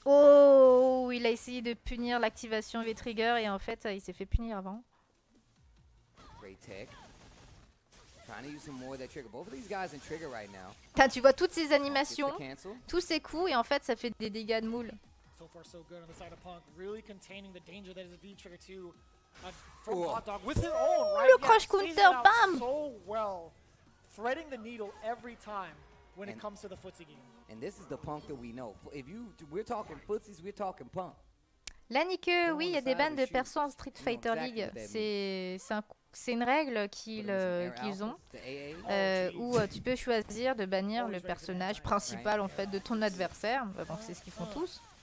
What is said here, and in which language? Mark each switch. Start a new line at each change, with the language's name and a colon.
French: Oh, il a essayé de punir l'activation V-Trigger et en fait, il s'est fait punir avant.
English: Great tech. Trying to use some more of that trigger. Both of these guys in trigger right now.
French: Tain, tu vois toutes ces animations, tous ces coups et en fait, ça fait des dégâts de moule.
English: So far, so good on the side of Punk, really containing the danger that is a V trigger to from Hot Dog with his own right.
French: Le crush counter, bam!
English: So well, threading the needle every time when it comes to the footsie game. And this is the Punk that we know. If you, we're talking footsies, we're talking Punk.
French: Lanique, oui, il y a des bans de perso en Street Fighter League. C'est une règle qu'ils ont, où tu peux choisir de bannir le personnage principal en fait de ton adversaire. Bon, c'est ce qu'ils font tous.